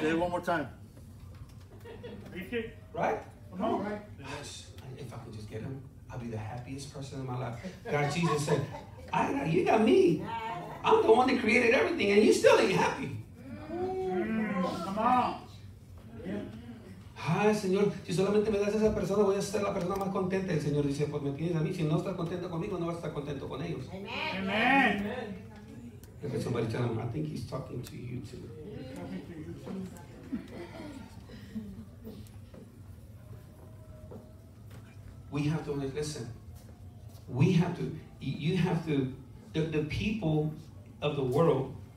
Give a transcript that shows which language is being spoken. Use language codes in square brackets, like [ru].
[en] Say it one more time. Right? No. Gosh, if I can just get him, I'll be the happiest person in my life. God, Jesus said, I got you, got me. I'm the one that created everything, and you still ain't happy. Come on. [es] Ay, Señor, si solamente me das a esa persona, voy a ser la persona más contenta. El Señor dice, pues me tienes a mí. Si no estás contento conmigo, no vas a estar contento con ellos. [en] Amen. Amen. Amen. Somebody tell him, I think he's talking to you too. Amen. We have to listen. We have to, you have to, the people of the world